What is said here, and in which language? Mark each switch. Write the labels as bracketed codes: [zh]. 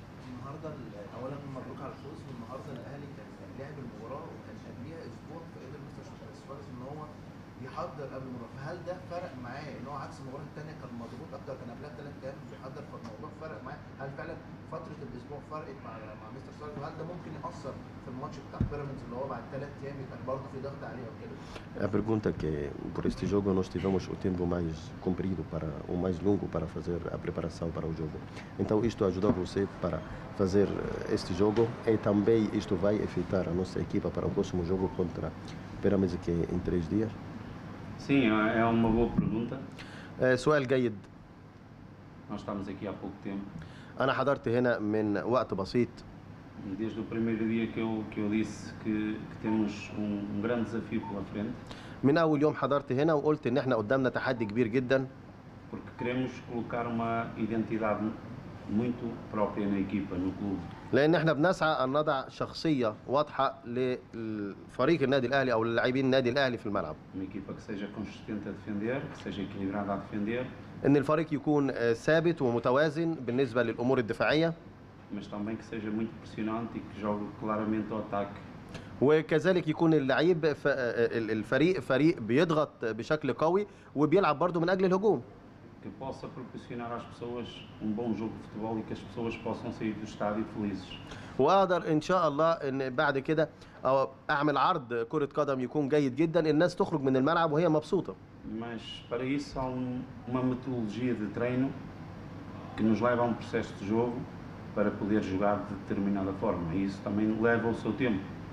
[ar] النهارده اولا مبروك على الفوز، والنهارده الاهلي كان لعب المباراه وكان قبليها اسبوع فقدر مستر سواريز ان هو يحضر قبل المباراه، فهل ده فرق معاه ان هو عكس المباراه الثانيه كان مضغوط اكتر، كان قبلها بثلاث ايام بيحضر، فالموضوع فرق معاه؟ هل فعلا فتره الاسبوع فرقت مع مستر سواريز، وهل ده ممكن ياثر في الماتش بتاع بيراميدز اللي هو بعد ثلاث ايام كان برضه في ضغط عليه وكده؟ [pt] A pergunta que por este jogo nós tivemos o tempo mais comprido para o mais longo para fazer a preparação para o jogo. Então isto ajudou você para fazer este jogo e também isto vai afetar a nossa equipa para o próximo jogo contra Pirâmides que é em 3 dias. Sim, é uma boa pergunta. [ar] É, سؤال جيد. [pt] Nós estamos aqui há pouco tempo. [ar] أنا حضرت هنا من وقت بسيط. [pt] Desde o primeiro dia que eu disse que temos um grande desafio pela frente. [ar] من أول يوم حضرت هنا وقلت إن إحنا قدامنا تحدي كبير جدا. [pt] Porque queremos colocar uma identidade muito própria na equipa, no clube. [ar] لأن إحنا بنسعى أن نضع شخصية واضحة لفريق النادي الأهلي أو للاعبين النادي الأهلي في الملعب. [pt] Uma equipa que seja consistente a defender, que seja equilibrada a defender. [ar] إن الفريق يكون ثابت ومتوازن بالنسبة للأمور الدفاعية. [pt] Mas também que seja muito pressionante e que jogue claramente ao ataque. [ar] وكذلك يكون اللعيب الفريق فريق بيضغط بشكل قوي وبيلعب برضه من اجل الهجوم. [pt] Que possa proporcionar às pessoas um bom jogo de futebol e que as pessoas possam sair do estádio felizes. [ar] واقدر ان شاء الله ان بعد كده اعمل عرض كرة قدم يكون جيد جدا، الناس تخرج من الملعب وهي مبسوطة. [pt] Mas para isso há uma metodologia de treino que nos leva a um processo de jogo. Para poder jogar de determinada forma. Isso também leva o seu tempo.